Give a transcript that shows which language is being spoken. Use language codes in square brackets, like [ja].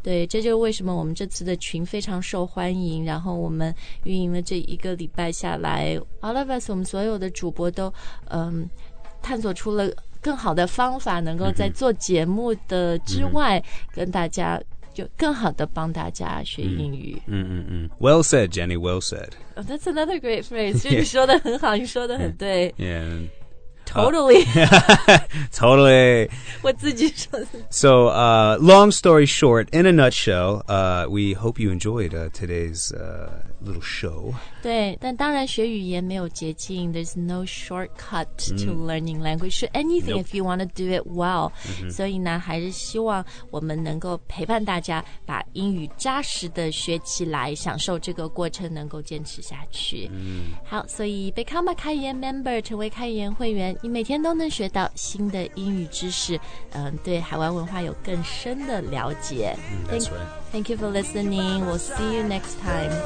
[zh] 对这就是为什么我们这次的群非常受欢迎然后我们运营了这一个礼拜下来 [en] All of us [zh] 我们所有的主播都探索出了更好的方法能够在做节目的之外、mm-hmm. 跟大家就更好的帮大家学英语、 mm-hmm. [en] Well said, Jenny, well said、 oh, That's another great phrase [zh] 就你说的很好、 [en] yeah. [zh] 你说的很对 [en] yeah. Totally Totally [zh] 我自己说的 [en] So, long story short, in a nutshell we hope you enjoyed today'slittle show [zh] 对但当然学语言没有捷径 [en] There's no shortcut to learning language so anything、nope. if you want to do it well、mm-hmm. [zh] 所以呢还是希望我们能够陪伴大家把英语扎实的学起来享受这个过程能够坚持下去、mm-hmm. 好所以 become a 开言 member 成为开言会员你每天都能学到新的英语知识、嗯、对海外文化有更深的了解、 [en] mm, That's right Thank you for listening. We'll see you next time.